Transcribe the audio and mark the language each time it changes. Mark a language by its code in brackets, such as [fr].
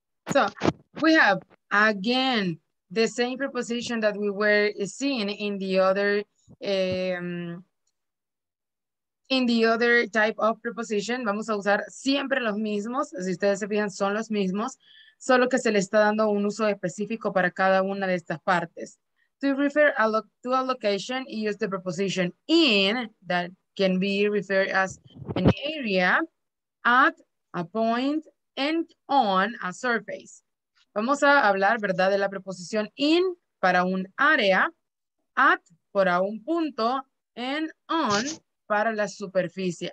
[en] So we have, again, the same preposition that we were seeing in the other type of preposition. [es] Vamos a usar siempre los mismos. Si ustedes se fijan, son los mismos. Solo que se le está dando un uso específico para cada una de estas partes. [en] To refer to a location, use the preposition in, that can be referred as an area, at a point, and on a surface. [es] Vamos a hablar, ¿verdad?, de la preposición in para un área, at para un punto, and on para la superficie.